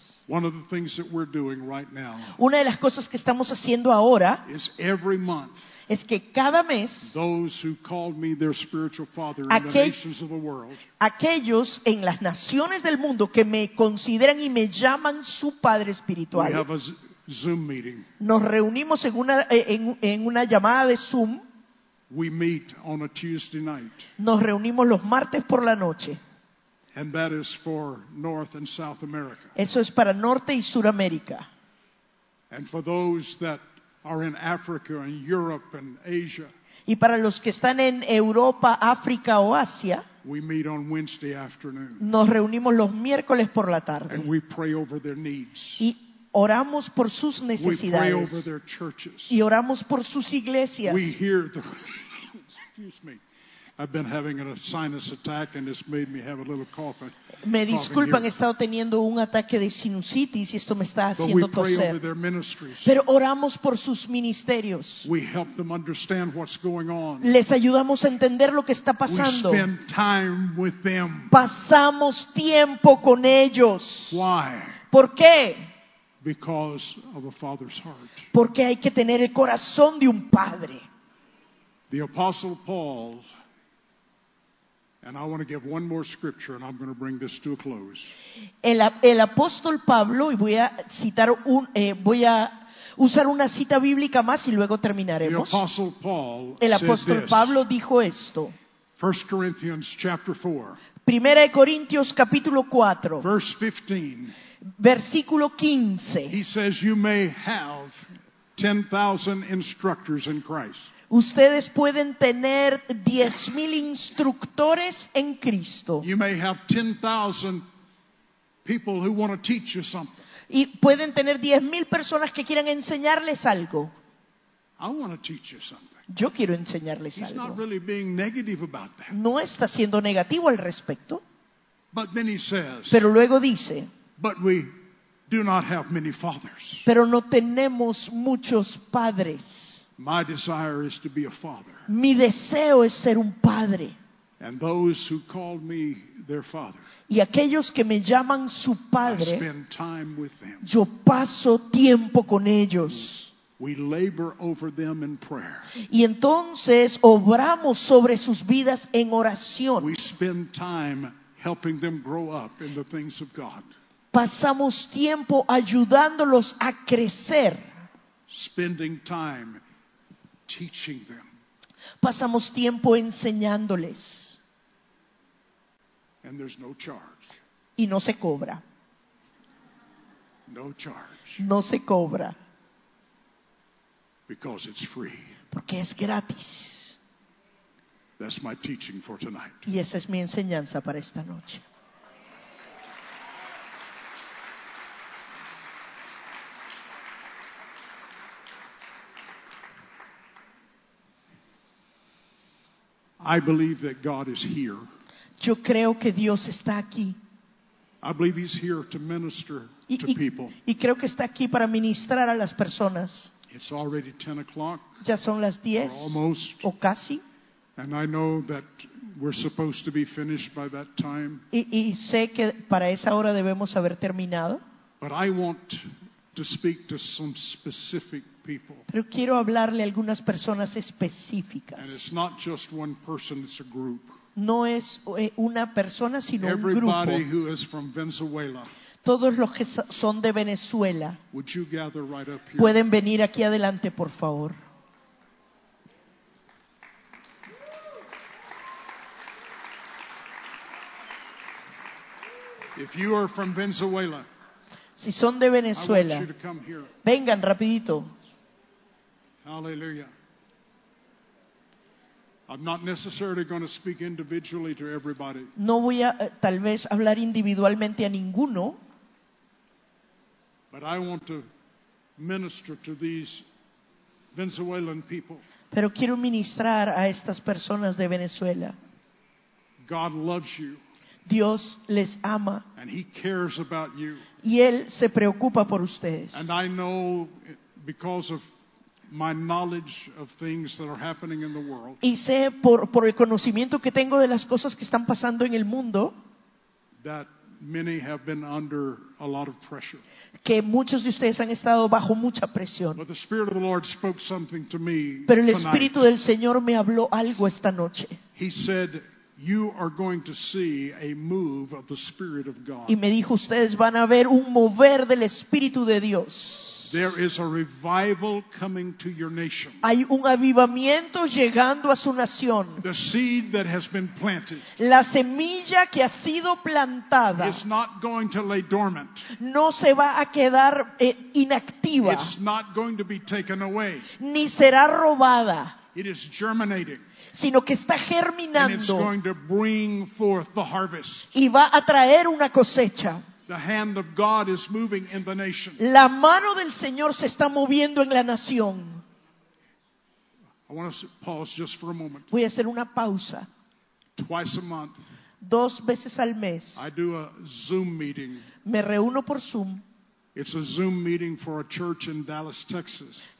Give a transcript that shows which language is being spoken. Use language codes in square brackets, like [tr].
[en] One of the things that we're doing right now, [es] una de las cosas que estamos haciendo ahora, [en] is every month, [es] es que cada mes, [en] those who called me their spiritual father in the nations of the world, [es] aquellos en las naciones del mundo que me consideran y me llaman su padre espiritual, [en] we have a Zoom meeting. [es] Nos reunimos en una llamada de Zoom. [en] We meet on a Tuesday night. [es] Nos reunimos los martes por la noche. [en] And that is for North and South America. [es] Eso es para Norte y Suramérica. [en] And for those that are in Africa and Europe and Asia. [es] Y para los que están en Europa, África o Asia. [en] We meet on Wednesday afternoon. [es] Nos reunimos los miércoles por la tarde. [en] And we pray over their needs. [es] Y oramos por sus necesidades. [en] We pray over their churches. [es] Y oramos por sus iglesias. [en] We hear the excuse me. I've been having a sinus attack and it's made me have a little coughing. [es] Me disculpan, he estado teniendo un ataque de sinusitis y esto me está haciendo toser. [en] But we pray over their ministries. [es] Pero oramos por sus ministerios. [en] We help them understand what's going on. [es] Les ayudamos a entender lo que está pasando. [en] We spend time with them. [es] Pasamos tiempo con ellos. [en] Why? [es] ¿Por qué? [en] Because of a father's heart. [es] Porque hay que tener el corazón de un padre. [en] The Apostle Paul. And I want to give one more scripture and I'm going to bring this to a close. [es] El apóstol Pablo, y voy a citar voy a usar una cita bíblica más y luego terminaremos. [en] The apostle Paul [es] el apóstol [en] said [es] Pablo [en] this, [es] dijo esto. [en] First Corinthians chapter 4. [es] Primera de Corintios capítulo 4. [en] Verse 15. [es] Versículo 15. [en] He says you may have 10,000 instructors in Christ. [es] Ustedes pueden tener 10,000 instructores en Cristo. [en] You may have 10,000 people who want to teach you something. [es] Y pueden tener 10,000 personas que quieran enseñarles algo. [en] I want to teach you something. [es] Yo quiero enseñarles [en] He's [es] algo. [en] Not really being negative about that. [es] No está siendo negativo al respecto. [en] But then he says, [es] pero luego dice, [en] but we do not have many fathers. [es] Pero no tenemos muchos padres. [en] My desire is to be a father. [es] Mi deseo es ser un padre. [en] And those who call me their father, [es] y aquellos que me llaman su padre, [en] I spend time with them. [es] Yo paso tiempo con ellos. [en] We labor over them in prayer. [es] Y entonces obramos sobre sus vidas en oración. [en] We spend time helping them grow up in the things of God. [es] Pasamos tiempo ayudándolos a crecer. [en] Spending time teaching them. [es] Pasamos tiempo enseñándoles. [en] And there's no charge. [es] Y no se cobra. [en] No charge. [es] No se cobra. [en] Because it's free. [es] Porque es gratis. [en] That's my teaching for tonight. [es] Y esa es mi enseñanza para esta noche. [en] I believe that God is here. [es] Yo creo que Dios está aquí. [en] I believe he's here to minister to people. [es] Y creo que está aquí para ministrar a las personas. [en] It's already 10 o'clock. [es] Ya son las 10, [en] almost, [es] o casi. [en] And I know that we're supposed to be finished by that time. [es] Y sé que para esa hora debemos haber terminado. [en] But I want to speak to some specific people. [es] Pero quiero hablarle a algunas personas específicas. [en] And it's not just one person, it's a group. [es] No es una persona, sino [en] everybody [es] un grupo. [en] Everybody who is from Venezuela. [es] Todos los que son de Venezuela, [en] would you gather right up here? [es] Pueden venir aquí adelante, por favor. [en] If you are from Venezuela, [es] si son de Venezuela, [en] I want you to come here. [es] Vengan rapidito. [en] Hallelujah. I'm not necessarily going to speak individually to everybody. [es] No voy a tal vez hablar individualmente a ninguno. [en] But I want to minister to these Venezuelan people. [es] Pero quiero ministrar a estas personas de Venezuela. [en] God loves you. [es] Dios les ama. [en] And he cares about you. [es] Y él se preocupa por ustedes. [en] And I know because of my knowledge of things that are happening in the world. [es] Y sé por el conocimiento que tengo de las cosas que están pasando en el mundo. [en] That many have been under a lot of pressure. [es] Que muchos de ustedes han estado bajo mucha presión. [en] But the Spirit of the Lord spoke something to me. [es] Pero el Espíritu [en] tonight. [es] Del Señor me habló algo esta noche. [en] He said, "You are going to see a move of the Spirit of God." [es] Y me dijo, ustedes van a ver un mover del Espíritu de Dios. [en] There is a revival coming to your nation. [es] Hay un avivamiento llegando a su nación. [en] The seed that has been planted. [es] La semilla que ha sido plantada. [en] Is not going to lay dormant. [es] No se va a quedar inactiva. [en] It's not going to be taken away. [es] Ni será robada. [en] It is germinating. [es] Sino que está germinando. [en] And it's going to bring forth the harvest. [es] Y va a traer una cosecha. [en] The hand of God is moving in the nation. [es] La mano del Señor se está moviendo en la nación. [en] I want to pause just for a moment. [es] Voy a hacer una pausa. [en] Twice a month. [es] Dos veces al mes. [en] I do a Zoom meeting. [es] Me reúno por Zoom. [en] It's a Zoom meeting for a church in Dallas, Texas.